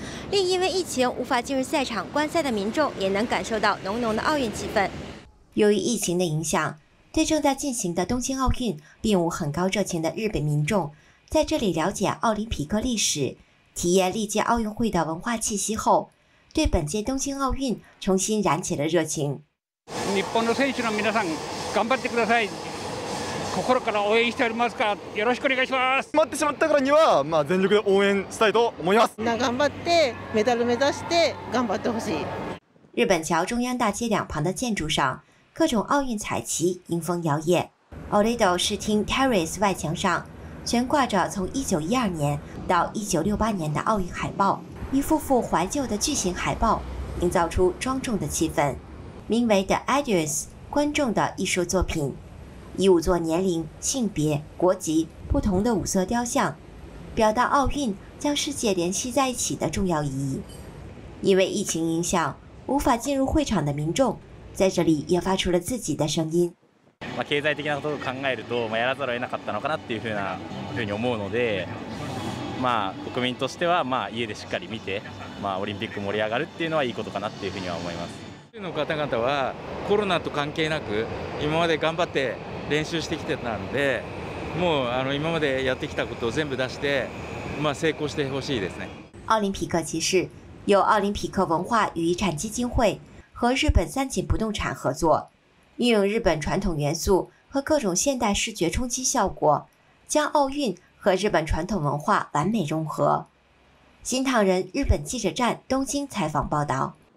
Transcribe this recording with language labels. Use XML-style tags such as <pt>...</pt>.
<zh>另因为疫情无法进入赛场观赛的民众也能感受到浓浓的奥运气氛。由于疫情的影响，对正在进行的东京奥运并无很高热情的日本民众，在这里了解奥林匹克历史，体验历届奥运会的文化气息后，对本届东京奥运重新燃起了热情。</zh> <ja>日本の選手の皆さん、頑張ってください。心から応援しておりますか。よろしくお願いします。決まってしまったからには、全力で応援したいと思います。頑張ってメダル目指して頑張ってほしい。</ja> <zh>日本桥中央大街两旁的建筑上，各种奥运彩旗迎风摇曳。 Olido 视听 Terrace 外墙上，悬挂着从1912年到1968年的奥运海报，一幅幅怀旧的巨型海报，营造出庄重的气氛。名为 The Ideas 观众的艺术作品，以五座年龄、性别、国籍不同的五色雕像，表达奥运将世界联系在一起的重要意义。因为疫情影响，无法进入会场的民众，在这里也发出了自己的声音。</zh> <ja>経済的なことを考えると、やらざるを得なかったのかなっていうふうに思うので、まあ、国民としては、まあ、家でしっかり見て、まあ、オリンピック盛り上がるっていうのはいいことかなっていうふうには思います。中の方々はコロナと関係なく今まで頑張って練習してきてたんで、もう今までやってきたことを全部出して、まあ、成功してほしいですね。</ja> <zh>奥林匹克集市由奥林匹克文化与遗产基金会和日本三井不动产合作，运用日本传统元素和各种现代视觉冲击效果，将奥运和日本传统文化完美融合。新唐人日本记者站东京采访报道。</zh>